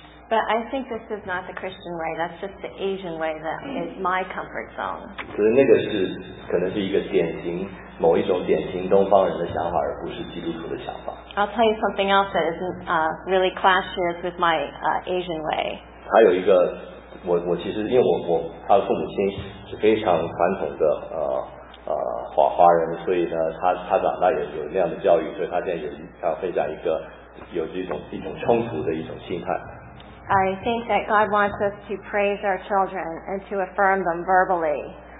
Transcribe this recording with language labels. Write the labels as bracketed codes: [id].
[en] But I think this is not the Christian way. That's just the Asian way that is my comfort zone. [zh] 所以那个是可能是一个典型某一种典型东方人的想法，而不是基督徒的想法。 [en] I'll tell you something else that isn't really clashes with my Asian way. [zh] 还有一个，我其实因为他的父母亲是非常传统的华人，所以呢，他长大也有那样的教育，所以他现在有他分享一个有这种一种冲突的一种心态。 [en] I think that God wants us to praise our children and to affirm them verbally.